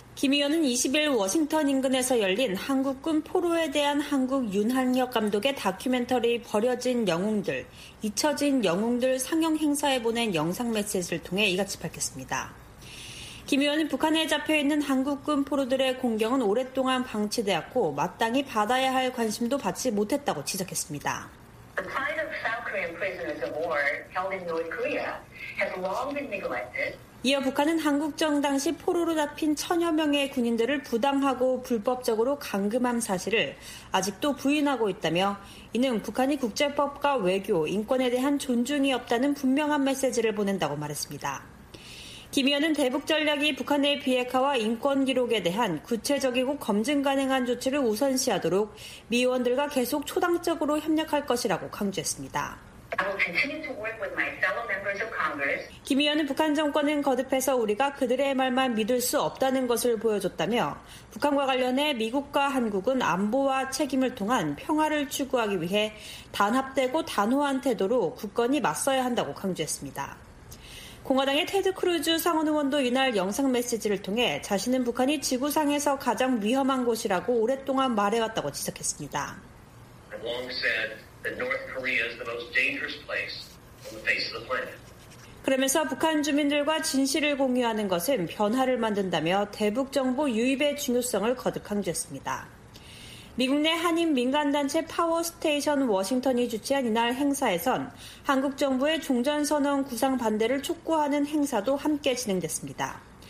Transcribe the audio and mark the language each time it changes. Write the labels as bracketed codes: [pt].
[ko] 김 의원은 20일 워싱턴 인근에서 열린 한국군 포로에 대한 한국 윤한혁 감독의 다큐멘터리 버려진 영웅들, 잊혀진 영웅들 상영 행사에 보낸 영상 메시지를 통해 이같이 밝혔습니다. 김 의원은 북한에 잡혀있는 한국군 포로들의 공경은 오랫동안 방치되었고 마땅히 받아야 할 관심도 받지 못했다고 지적했습니다. [en] The plight of South Korean prisoners of war held in North Korea has long been neglected. [ko] 이어 북한은 한국정 당시 포로로 잡힌 천여 명의 군인들을 부당하고 불법적으로 감금한 사실을 아직도 부인하고 있다며 이는 북한이 국제법과 외교, 인권에 대한 존중이 없다는 분명한 메시지를 보낸다고 말했습니다. 김 의원은 대북 전략이 북한 내 비핵화와 인권 기록에 대한 구체적이고 검증 가능한 조치를 우선시하도록 미 의원들과 계속 초당적으로 협력할 것이라고 강조했습니다. [en] Congress. [ko] 김 의원은 북한 정권은 거듭해서 우리가 그들의 말만 믿을 수 없다는 것을 보여줬다며 북한과 관련해 미국과 한국은 안보와 책임을 통한 평화를 추구하기 위해 단합되고 단호한 태도로 굳건히 맞서야 한다고 강조했습니다. 공화당의 테드 크루즈 상원 의원도 이날 영상 메시지를 통해 자신은 북한이 지구상에서 가장 위험한 곳이라고 오랫동안 말해왔다고 지적했습니다. [en] I've long said that North Korea is the most dangerous place on the face of the planet. [ko] 그러면서 북한 주민들과 진실을 공유하는 것은 변화를 만든다며 대북 정보 유입의 중요성을 거듭 강조했습니다. 미국 내 한인 민간단체 파워스테이션 워싱턴이 주최한 이날 행사에선 한국 정부의 종전선언 구상 반대를 촉구하는 행사도 함께 진행됐습니다.